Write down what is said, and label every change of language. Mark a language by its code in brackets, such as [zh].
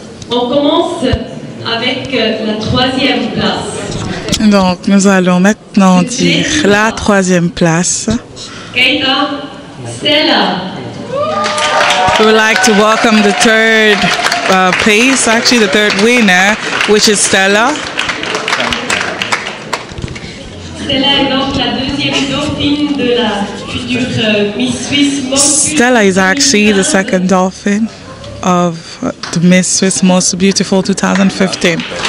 [fr] On commence avec la troisième place. Donc, nous allons maintenant dire la troisième place. Keita Stella. [en] We would like to welcome the third place, actually the third winner, which is Stella. [fr] Stella est donc la deuxième dauphine de la future Miss Suisse. [en] Stella is actually the second dauphin of the Miss Swiss Most Beautiful 2015.